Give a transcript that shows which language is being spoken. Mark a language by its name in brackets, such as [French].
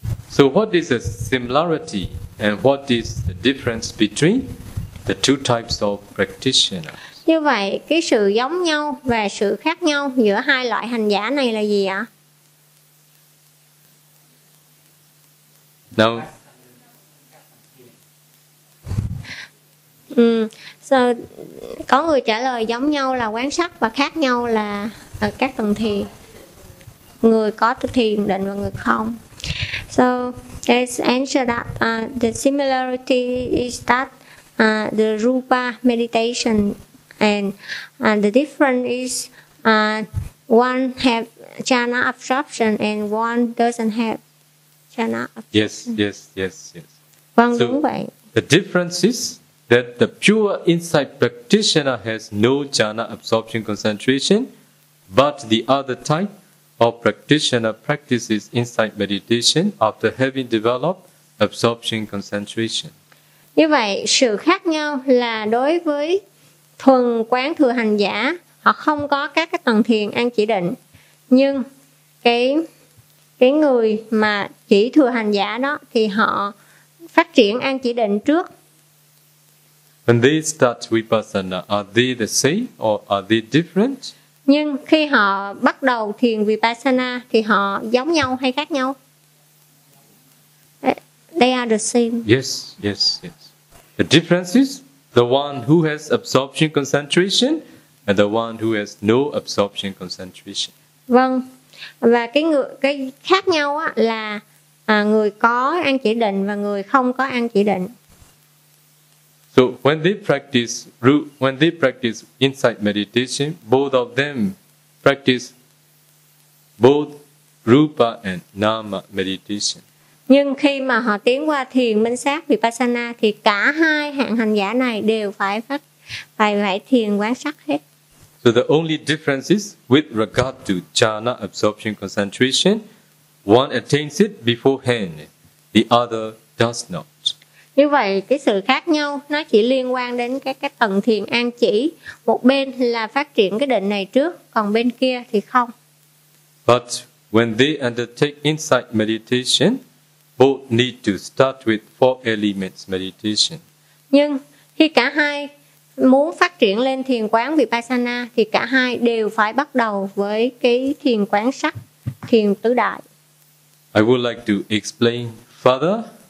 [English] So what is the similarity and what is the difference between the two types of practitioners? [Vietnamese] Như vậy, cái sự giống nhau và sự khác nhau giữa hai loại hành giả này là gì ạ? [English] Now, [Vietnamese] So, có người trả lời giống nhau là quán sát và khác nhau là các tầng thiền. Người có thiền định và người không. [English] So, let's answer that. The similarity is that the rupa meditation and the difference is one have channel absorption and one doesn't have channel absorption. Yes. [Vietnamese] Vâng, so, đúng vậy. [English] The difference is that the pure insight practitioner has no jhana absorption concentration, but the other type of practitioner practices insight meditation after having developed absorption concentration. [Vietnamese] Như vậy, sự khác nhau là đối với thuần quán thừa hành giả, họ không có các cái tầng thiền an chỉ định, nhưng cái người mà chỉ thừa hành giả đó thì họ phát triển an chỉ định trước. [English] When they start vipassana, are they the same or are they different? [Vietnamese] Nhưng khi họ bắt đầu thiền vipassana thì họ giống nhau hay khác nhau? [English] They are the same. Yes. The difference is the one who has absorption concentration and the one who has no absorption concentration. [Vietnamese] Vâng. Và cái khác nhau á là người có an chỉ định và người không có an chỉ định. [English] So when they practice insight meditation, both of them practice both rupa and nama meditation. [Vietnamese] Nhưng khi mà họ tiến qua thiền minh sát vipassana thì cả hai hạng hành giả này đều phải thiền quán sát hết. [English] So the only difference is with regard to jhana absorption concentration, one attains it beforehand, the other does not. [Vietnamese] Như vậy, cái sự khác nhau nó chỉ liên quan đến cái tầng thiền an chỉ. Một bên là phát triển cái định này trước, còn bên kia thì không. [English] But when they undertake insight meditation, both need to start with four elements meditation. [Vietnamese] Nhưng khi cả hai muốn phát triển lên thiền quán vipassana, thì cả hai đều phải bắt đầu với cái thiền quán sắc, thiền tứ đại. [English] I would like to explain further.